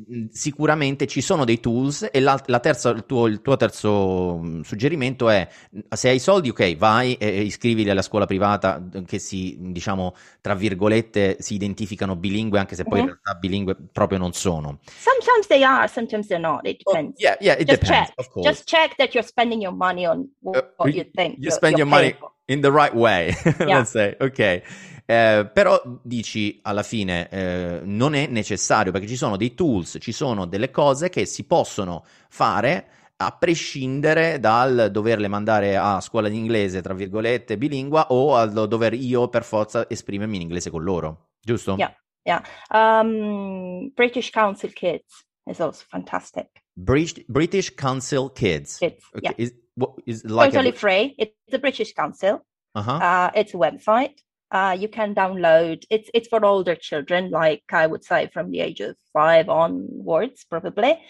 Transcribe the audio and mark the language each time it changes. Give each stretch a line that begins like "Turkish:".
Italian: sicuramente ci sono dei tools, e il tuo terzo suggerimento è: se hai soldi, ok, vai e iscriviti alla scuola privata, che si, diciamo, tra virgolette, si identificano bilingue, anche se poi in realtà bilingue proprio non sono.
English: Sometimes they are, sometimes they're not, it depends. Oh, yeah, it just depends, check. Just check that you're spending your money on what you think. You spend your money for. In the right way, yeah. Let's say, ok.
Italian: Però dici, alla fine, non è necessario, perché ci sono dei tools, ci sono delle cose che si possono fare a prescindere dal doverle mandare a scuola di inglese, tra virgolette, bilingua, o al dover io per forza esprimermi in inglese con loro, giusto?
English: Yeah, yeah. British Council Kids is also fantastic. British Council Kids. Kids, okay. Yeah. Totally free. It's the British Council. Uh-huh. It's a website. You can download, it's for older children, like I would say from the age of 5 onwards, probably.